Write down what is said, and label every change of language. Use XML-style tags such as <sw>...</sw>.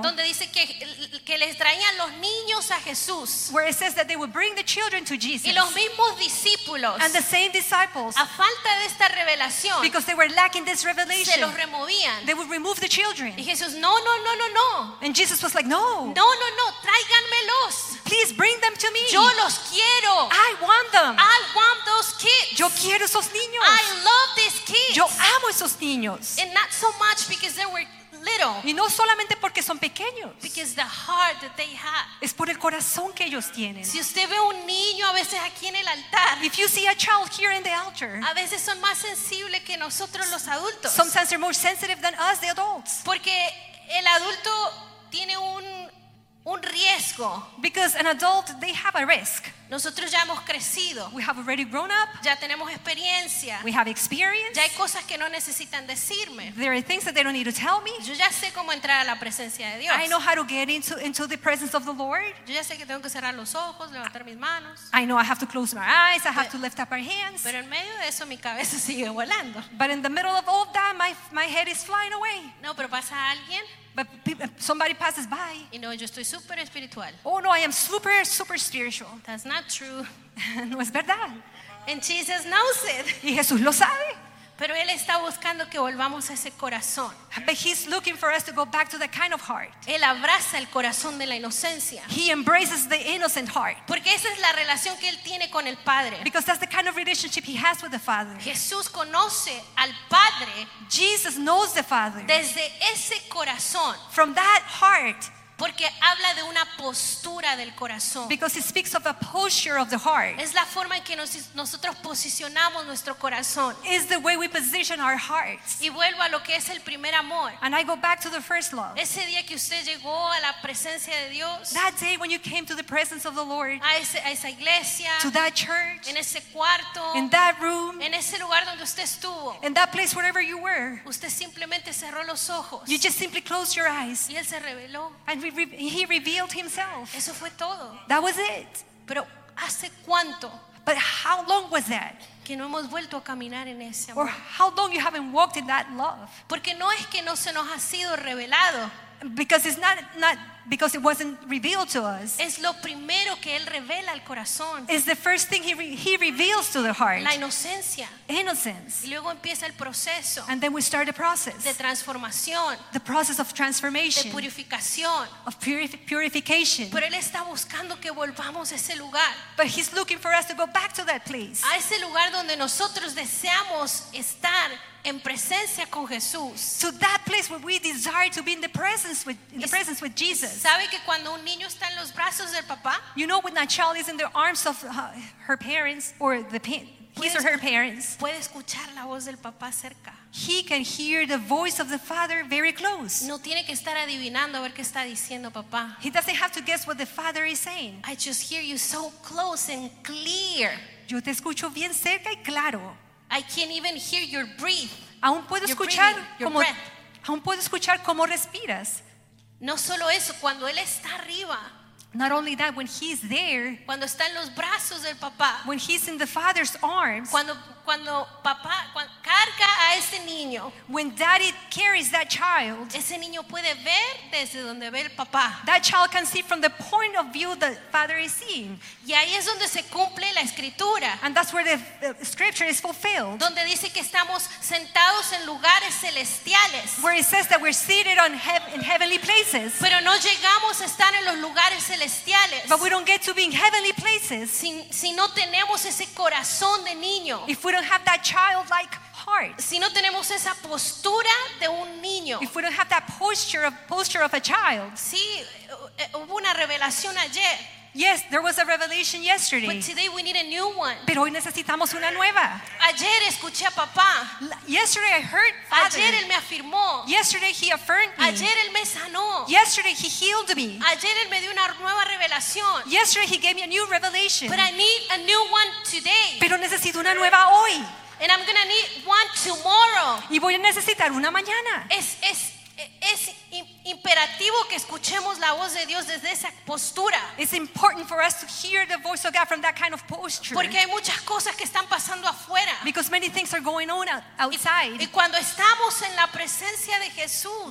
<es>Donde dice que les traían los niños a Jesús.</es> <en>Where it says that they would bring the children to Jesus.</en> <es>Y los mismos discípulos.</es> <en>And the same disciples.</en> <es>A falta de esta revelación.</es> <en>Because they were lacking this revelation.</en> <es>Se los removían.</es> <en>They would remove the children.</en> <es>Y Jesús, no, no, no, no, no.</es> <en>And Jesus was like, no.</en> <es>No, no, no, tráiganmelos.</es> <en>Please bring them to me.</en> <es>Yo los quiero.</es> <en>I want them. I want those kids.</en> <es>Yo quiero esos niños.</es> <en>I love these kids.</en> <es>Yo amo esos niños.</es> <en>And not so much because they were little.</en> <es>Y no solamente porque son pequeños.</es> <en>Because the heart that they have.</en> <es>Es por el corazón que ellos tienen. Si usted ve un niño a veces aquí en el altar.</es> <en>If you see a child here in the altar.</en> <es>A veces son más sensibles que nosotros los adultos.</es> <en>Sometimes they're more sensitive than us, the adults.</en> <es>Porque el adulto tiene un riesgo.</es> <en>Because an adult, they have a risk.</en> <es>Nosotros ya hemos crecido.</es> <en>We have already grown up.</en> <es>Ya tenemos experiencia.</es> <en>We have experience.</en> <es>Ya hay cosas que no necesitan decirme.</es> <en>There are things that they don't need to tell me.</en> <es>Yo ya sé cómo entrar a la presencia de Dios.</es> <en>I know how to get into the presence of the Lord.</en> <es>Yo ya sé que tengo que cerrar los ojos, levantar mis manos.</es> <en>I know I have to close my eyes. I have to lift up my hands.</en> <es>Pero en medio de eso mi cabeza sigue volando.</es> <en>But in the middle of all that, my head is flying away.</en> <es>No, pero pasa alguien.</es> <en>But somebody passes by. You know,</en> <es>yo estoy super espiritual.</es> <en>Oh no, I am super, super spiritual. That's not true.</en> <es>No es verdad.</es> <en>And Jesus knows it.</en> <es>Y Jesús lo sabe. Pero él está buscando que volvamos a ese corazón.</es> <en>But he's looking for us to go back to that kind of heart.</en> <es>Él abraza el corazón de la inocencia.</es> <en>He embraces the innocent heart.</en> <es>Porque esa es la relación que él tiene con el Padre.</es> <en>Because that's the kind of relationship he has with the Father.</en> <es>Jesús conoce al Padre.</es> <en>Jesus knows the Father.</en> <es>Desde ese corazón.</es> <en>From that heart.</en> <es>Porque habla de una postura del corazón.</es> <en>Because it speaks of a posture of the heart.</en> <es>Es la forma en que nosotros posicionamos nuestro corazón.</es> <en>Is the way we position our hearts.</en> <es>Y vuelvo a lo que es el primer amor.</es> <en>And I go back to the first love.</en> <es>Ese día que usted llegó a la presencia de Dios.</es> <en>That day when you came to the presence of the Lord.</en> <es>A esa iglesia.</es> <en>To that church.</en> <es>En ese cuarto.</es> <en>In that room.</en> <es>En ese lugar donde usted estuvo.</es> <en>In that place wherever you were.</en> <es>Usted simplemente cerró los ojos.</es> <en>You just simply closed your eyes.</en> <es>Y él se reveló.</es> <en>And he revealed himself.</en> <es>Eso fue todo.</es> <en>That was it.</en> <es>Pero hace cuánto?</es> <en>But how long was that?</en> <es>Que no hemos vuelto a caminar en ese amor.</es> <en>Or how long you haven't walked in that love?</en> <es>Porque no es que no se nos ha sido revelado.</es> <en>Because it's not because it wasn't revealed to us.</en> <es>Es lo primero que él revela al corazón.</es> <en>It's the first thing he reveals to the heart.</en> <es>La inocencia.</es> <en>Innocence.</en> <es>Y luego empieza el proceso.</es> <en>And then we start the process.</en> <es>De transformación.</es> <en>The process of transformation.</en> <es>De purificación.</es> <en>Of purification.</en> <es>Pero él está buscando que volvamos a ese lugar.</es> <en>But he's looking for us to go back to that place.</en> <es>A ese lugar donde nosotros deseamos estar. En presencia con Jesús.</es> <en>To that place where we desire to be in the presence with Jesus.</en> <es>¿Sabe que cuando un niño está en los brazos del papá?</es> <en>You know when a child is in the arms of her parents or his or her parents.</en> <es>Puede escuchar la voz del papá cerca.</es> <en>He can hear the voice of the father very close.</en> <es>No tiene que estar adivinando a ver qué está diciendo papá.</es> <en>He doesn't have to guess what the father is saying. I just hear you so close and clear.</en> <es>Yo te escucho bien cerca y claro.</es> <en>I can't even hear your breath.</en> <es>Aún puedo escuchar cómo respiras. No solo eso, cuando él está arriba.</es> <en>Not only that, when he's there.</en> <es>Cuando está en los brazos del papá.</es> <en>When he's in the father's arms.</en> <es>Cuando papá carga a ese niño.</es> <en>When daddy carries that child.</en> <es>Ese niño puede ver desde donde ve el papá.</es> <en>That child can see from the point of view the father is seeing.</en> <es>Y ahí es donde se cumple la escritura.</es> <en>And that's where the scripture is fulfilled.</en> <es>Donde dice que estamos sentados en lugares celestiales.</es> <en>Where it says that we're seated on in heavenly places.</en> <es>Pero no llegamos a estar en los lugares celestiales.</es> <en>But we don't get to be in heavenly places.</en> <es>Si no tenemos ese corazón de niño.</es> <en>If we don't have that childlike heart.</en> <es>Si no tenemos esa postura de un niño.</es> <en>If we don't have that posture of a child.</en> <es>Sí, hubo una revelación ayer.</es> <en>Yes, there was a revelation yesterday. But today we need a new one.</en> <es>Pero hoy necesitamos una nueva. Ayer escuché a papá.</es> <en>Yesterday I heard Father.</en> <es>Ayer él me afirmó.</es> <en>Yesterday he affirmed me.</en> <es>Ayer él me sanó.</es> <en>Yesterday he healed me.</en> <es>Ayer él me dio una nueva revelación.</es> <en>Yesterday he gave me a new revelation. But I need a new one today.</en> <es>Pero necesito una nueva hoy.</es> <en>And I'm gonna need one tomorrow.</en> <es>Y voy a necesitar una mañana. Es imperativo que escuchemos la voz de Dios desde esa postura.</es> <en>It's important for us to hear the voice of God from that kind of posture.</en> <es>Porque hay muchas cosas que están pasando afuera.</es> <en>Because many things are going on outside.</en> <es>Y cuando estamos en la presencia de Jesús.</es>